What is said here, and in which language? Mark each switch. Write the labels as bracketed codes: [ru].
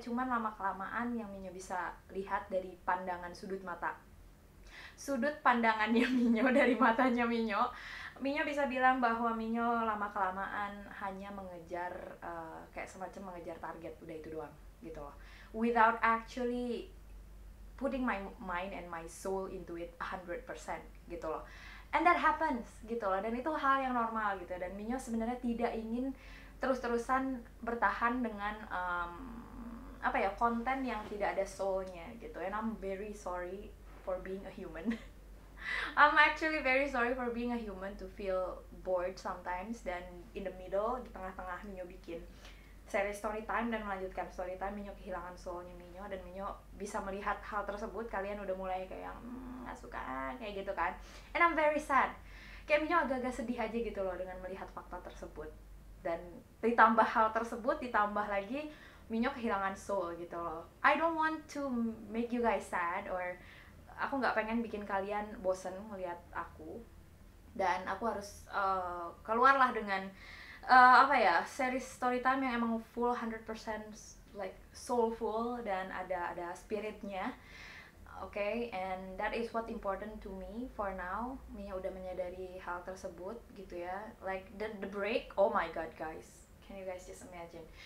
[id] Cuman lama-kelamaan yang Minyo bisa lihat dari pandangan sudut mata, sudut pandangannya Minyo dari matanya Minyo, Minyo bisa bilang bahwa Minyo lama-kelamaan hanya mengejar kayak semacam mengejar target, udah itu doang gitu loh, [en] without actually putting my mind and my soul into it [id] 100% gitu loh. [en] And that happens [id] gitu loh, dan itu hal yang normal gitu. Dan Minyo sebenarnya tidak ingin terus-terusan bertahan dengan apa ya, konten yang tidak ada soul-nya gitu. [en] And I'm very sorry for being a human. I'm actually very sorry for being a human to feel bored sometimes. [id] Dan [en] in the middle, [id] di tengah-tengah Minyo bikin seri story time dan melanjutkan story time, Minyo kehilangan soul-nya Minyo. Dan Minyo bisa melihat hal tersebut, kalian udah mulai kayak yang gak suka, kayak gitu kan. [en] And I'm very sad, [id] kayak Minyo agak-agak sedih aja gitu loh dengan melihat fakta tersebut. Dan ditambah hal tersebut, ditambah lagi Minyo kehilangan soul gitu loh. [en] I don't want to make you guys sad, or [id] aku gak pengen bikin kalian bosen ngeliat aku. Dan aku harus keluarlah dengan apa ya, series story time yang emang full 100% [en] like soulful [id] dan ada spiritnya. Oke, okay? [en] And that is what important to me for now. [id] Minyo udah menyadari hal tersebut gitu ya. [en] Like the break, oh my god guys, can you guys just imagine?